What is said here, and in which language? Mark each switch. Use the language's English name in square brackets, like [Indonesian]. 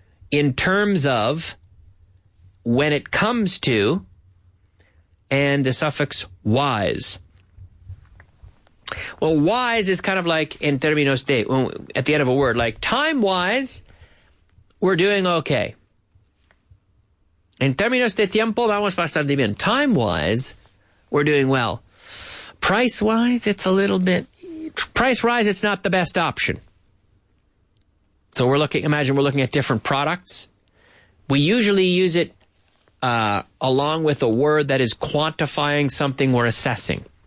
[English] In terms of, when it comes to, and the suffix wise." Well, wise is kind of like [Spanish] in términos de, [English] at the end of a word, like time-wise, we're doing okay. [Spanish] In términos de tiempo, vamos bastante bien. [English] Time-wise, we're doing well. Price-wise, it's a little bit, price-wise, it's not the best option. So we're looking, imagine we're looking at different products. We usually use it along with a word that is quantifying something we're assessing.